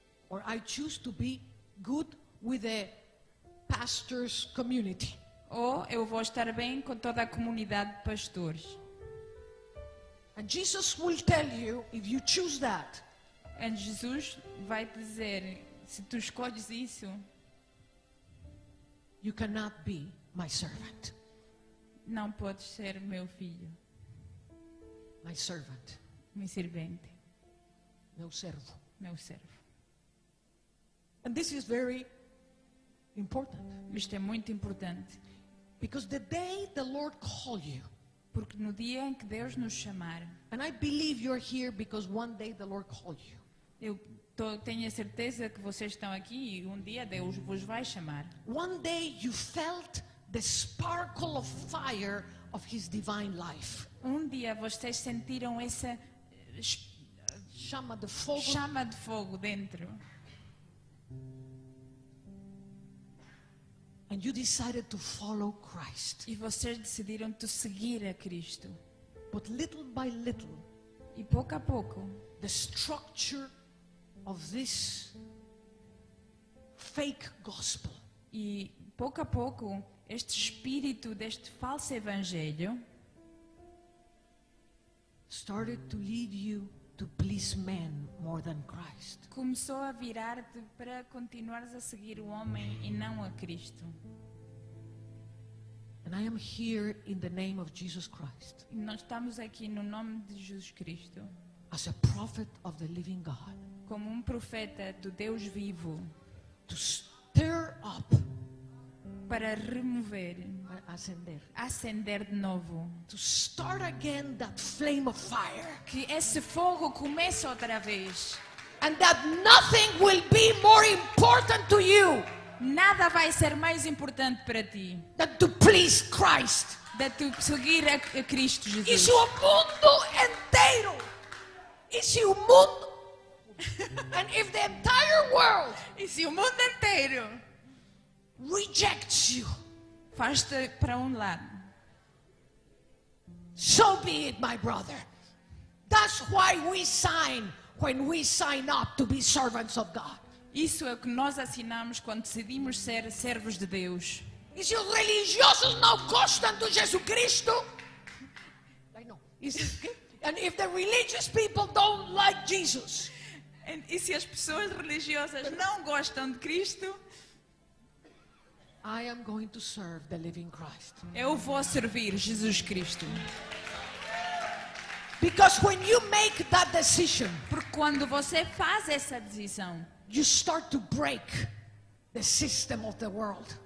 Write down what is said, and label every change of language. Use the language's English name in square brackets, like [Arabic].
[English] or I choose to be good with the pastor's community. [Portuguese] Ou eu vou estar bem com toda a comunidade de pastores. [English] And Jesus will tell you if you choose that. And [Portuguese] Jesus vai dizer se tu escolhes isso, [English] you cannot be my servant. [Portuguese] Não podes ser meu filho. [English] My servant. [Portuguese] Minha servente. Meu servo. Meu servo. [English] And this is very important. [Portuguese] Isto é muito importante. [English] Because the day the Lord call you. [Portuguese] Porque no dia em que Deus nos chamar. [English] And I believe you're here because one day the Lord call you. [Portuguese] Eu tenho a certeza que vocês estão aqui e um dia Deus vos vai chamar. [English] One day you felt the sparkle of fire of his divine life. [Portuguese] Um dia vocês sentiram essa chama de fogo dentro. [English] And you decided to follow Christ. [Portuguese] E vocês decidiram de seguir a Cristo. [English] But little by little, [Portuguese] e pouco a pouco, [English] the structure of this fake gospel. [Portuguese] E pouco a pouco, este espírito deste falso evangelho [English] started to lead you to please men more than Christ. [Portuguese] Começou a virar-te para continuares a seguir o homem e não a Cristo. [English] And I am here in the name of Jesus Christ. [Portuguese] E nós estamos aqui no nome de Jesus Cristo. [English] As a prophet of the living God. [Portuguese] Como profeta do Deus vivo. [English] To stir up. [Portuguese] Para remover. Acender de novo. [English] To start again that flame of fire. [Portuguese] Que esse fogo comece outra vez. [English] And that nothing will be more important to you. [Portuguese] Nada vai ser mais importante para ti. [English] Than to please Christ. Than to [Portuguese] seguir a Cristo Jesus. Isso o mundo inteiro. Isso o mundo. [English] And if the entire world. [Portuguese] Isso o mundo inteiro. [English] Rejects you. [Portuguese] Faz-te para lado. [English] So be it, my brother. That's why we sign when we sign up to be servants of God. [Portuguese] Isso é o que nós assinamos quando decidimos ser servos de Deus. E se os religiosos não gostam de Jesus Cristo? [English] I know. And if the religious people don't like Jesus? [Portuguese] E se as pessoas religiosas não gostam de Cristo? [English] I am going to serve the living Christ. [Portuguese] Eu vou servir Jesus Cristo. [English] Because when you make that decision, [Portuguese] porque quando você faz essa decisão, [English] you start to break the system of the world.